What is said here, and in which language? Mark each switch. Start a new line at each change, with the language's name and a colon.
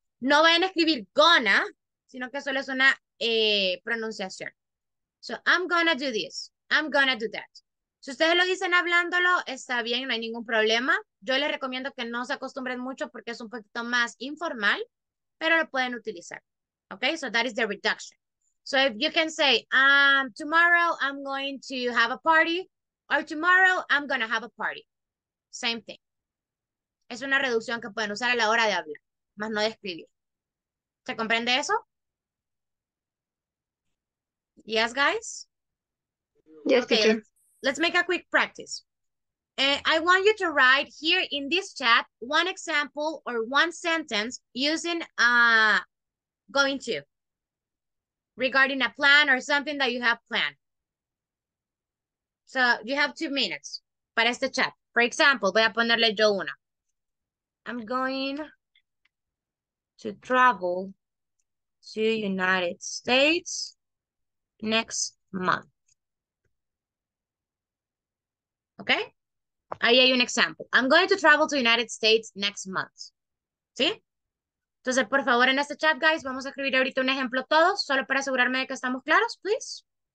Spanish: No vayan a escribir gonna, sino que solo es una pronunciación.
English: So, I'm gonna do this. I'm gonna do that.
Spanish: Si ustedes lo dicen hablándolo, está bien, no hay ningún problema. Yo les recomiendo que no se acostumbren mucho porque es un poquito más informal, pero lo pueden utilizar.
English: Okay, so that is the reduction. So, if you can say, tomorrow I'm going to have a party, or tomorrow I'm gonna have a party. Same thing.
Spanish: Es una reducción que pueden usar a la hora de hablar, más no de escribir. ¿Se comprende eso?
English: Yes, guys? Yes, okay, teacher. Let's make a quick practice. I want you to write here in this chat one example or one sentence using going to regarding a plan or something that you have planned. So you have 2 minutes
Spanish: para este chat.
English: For example,
Spanish: voy a ponerle yo una.
English: I'm going to travel to United States next month. Okay?
Spanish: Ahí hay un
English: example. I'm going to travel to United States next month.
Spanish: ¿Sí? Entonces, por favor, en este chat, guys, vamos a escribir ahorita un ejemplo todos, solo para asegurarme de que estamos claros, please.